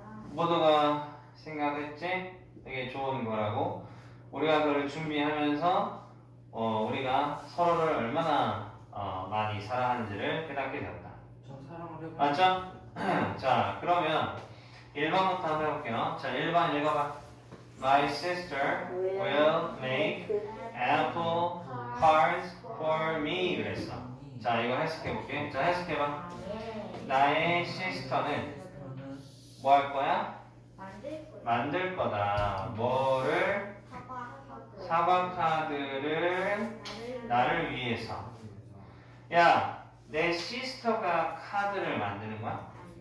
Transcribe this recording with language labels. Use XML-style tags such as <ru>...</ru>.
<ko>모두가 생각했지? 되게 좋은 거라고. 우리가 그걸 준비하면서, 우리가 서로를 얼마나, 많이 사랑하는지를 깨닫게 되었다. 맞죠? 자, 그러면 1번부터 한번 해볼게요. 자, 1번 읽어봐.</ko> <en>My sister will make apple cards for me.</en> <ko>그랬어. 자, 이거 해석해볼게. 자, 해석해봐. 나의 시스터는 뭐할 거야? 만들 거다. 뭐를? 사과카드를 나를 위해서. 야, 내 시스터가 카드를 만드는 거야?</ko>